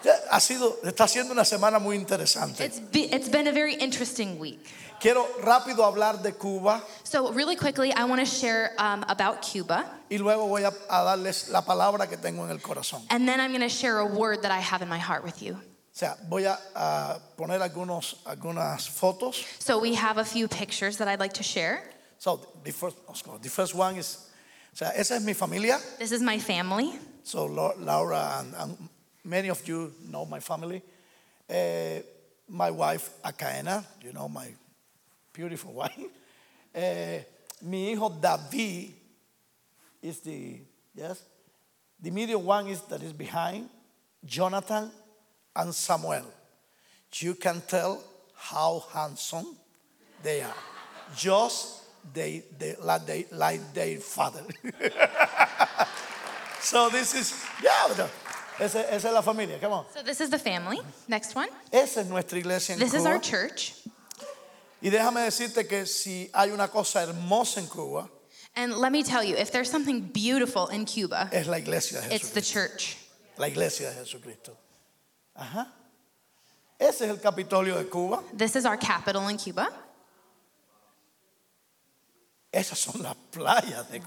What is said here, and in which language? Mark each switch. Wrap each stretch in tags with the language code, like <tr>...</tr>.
<es>Ha sido, está siendo una semana muy interesante.</es> <en>It's been a very interesting week.</en> <es>Quiero rápido hablar de Cuba.</es> <en>So really quickly, I want to share about Cuba.</en> <es>Y luego voy a darles la palabra que tengo en el corazón.</es> <en>And then I'm going to share a word that I have in my heart with you.</en> <es>O sea, voy a poner algunas fotos.</es> <en>So we have a few pictures that I'd like to share. So the first one is,</en> <es>o sea, esa es mi familia.</es> <en>This is my family. So Laura and many of you know my family. My wife, Akaena, you know my beautiful wife.</en> <es>Mi hijo</es> <en>David is the, yes? The middle one is that is behind, Jonathan and Samuel. You can tell how handsome they are. Just like their father. So this is, yeah.</en> <es>Esa es la familia.</es> <en>Come on. So this is the family. Next one.</en> <es>Esa es nuestra iglesia en</es> <en>this</en> <es>Cuba.</es> <en>Is our church.</en> <es>Y déjame decirte que si hay una cosa hermosa en Cuba.</es> <en>And let me tell you, if there's something beautiful in Cuba,</en> <es>es la iglesia de Jesucristo.</es> <en>It's the church.</en> <es>La iglesia de Jesucristo. Ajá. Ese es el Capitolio de Cuba.</es> <en>This is our capital in Cuba.</en> <es>Esas son las playas de Cuba.</es>